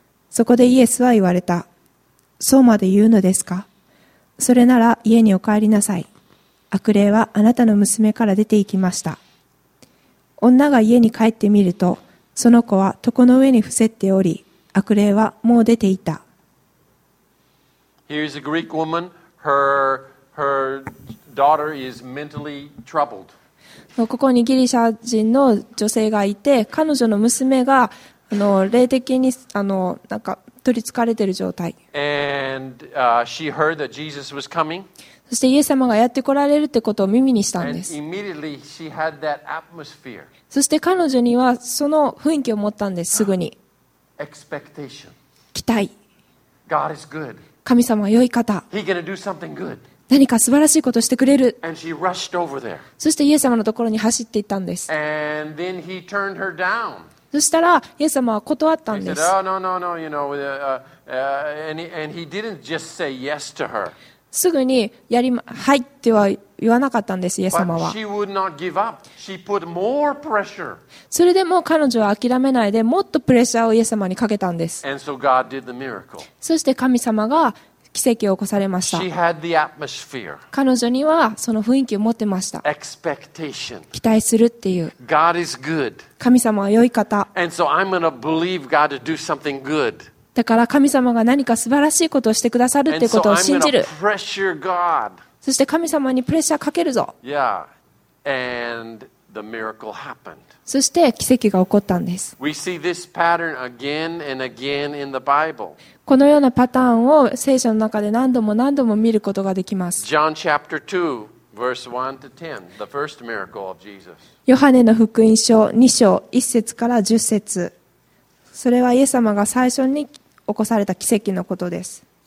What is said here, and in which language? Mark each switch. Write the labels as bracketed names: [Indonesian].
[Japanese] そこでイエスは言われた。そうまで言うのですか?それなら家にお帰りなさい。悪霊はあなたの娘から出て行きました。女が家に帰ってみると、その子は床の上に伏せており、悪霊はもう出ていた。 [English] Here's a Greek woman. Her daughter is mentally troubled. [Japanese] ここにギリシャ人の女性がいて、彼女の娘が霊的に取り憑かれている状態。 [English] And, she heard that Jesus was coming. [Japanese] そしてイエス様がやって来られるってことを耳にしたんです。 [English] And immediately she had that atmosphere. [Japanese] そして彼女にはその雰囲気を持ったんです、すぐに。 [English] Expectation. [Japanese] 期待。 [English] God is good. [Japanese] 神様は良い方。 [English] He gonna do something good. [Japanese] 何か素晴らしいことをしてくれる。 [English] And she rushed over there. [Japanese] そしてイエス様のところに走っていったんです。 [English] And then he turned her down. [Japanese] そしたらイエス様は断ったんです。 [English] said,、oh, no, no, no, you know, and he didn't just say yes to her. [Japanese] すぐにやり、ま、はいっては言わなかったんです。イエス様は [English] But she would not give up. She put more pressure. [Japanese] それでも彼女は諦めないで、もっとプレッシャーをイエス様にかけたんです。 [English] and so God did the miracle. [Japanese] そして神様が奇跡を起こされました。 [English] she had the atmosphere. [Japanese] 彼女にはその雰囲気を持ってました。 [English] Expectation. [Japanese] 期待するっていう。 [English] God is good. [Japanese] 神様は良い方。 [English] And so I'm gonna believe God to do something good. [Japanese] だから神様が何か素晴らしいことをしてくださるっていうことを信じる。 [English] And so I'm gonna pressure God. [Japanese] そして神様にプレッシャーかけるぞ。 [English] Yeah. And the miracle happened. [Japanese] そして奇跡が起こったんです。 [English] We see this pattern again and again in the Bible. [Japanese] このようなパターンを聖書の中で何度も何度も見ることができます。 [English] John chapter 2, verse 1 to 10, the first miracle of Jesus. [Japanese] ヨハネの福音書2章1節から10節。それはイエス様が最初に起こされた奇跡のことです。